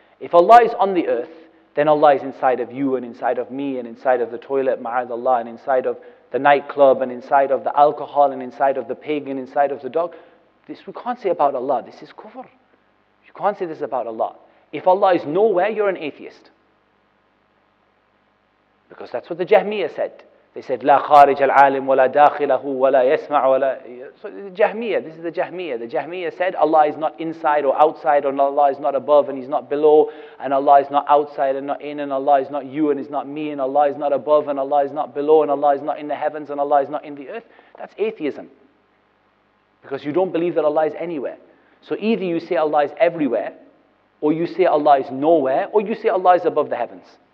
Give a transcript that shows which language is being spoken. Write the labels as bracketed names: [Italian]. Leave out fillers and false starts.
[English] If Allah is on the earth, then Allah is inside of you, and inside of me, and inside of the toilet, ma'adallah, and inside of the nightclub, and inside of the alcohol, and inside of the pig, and inside of the dog. This we can't say about Allah. This is kufr. You can't say this about Allah. If Allah is nowhere, you're an atheist. Because that's what the Jahmiyyah said. They said, [Arabic] لا خارج العالم ولا داخله ولا يسمع ولا... [English] So the Jahmiyyah, this is the Jahmiyyah. The Jahmiyyah said, Allah is not inside or outside, and Allah is not above and He's not below, and Allah is not outside and not in, and Allah is not you and He's not me, and Allah is not above and Allah is not below, and Allah is not in the heavens and Allah is not in the earth. That's atheism. Because you don't believe that Allah is anywhere. So either you say Allah is everywhere, or you say Allah is nowhere, or you say Allah is above the heavens.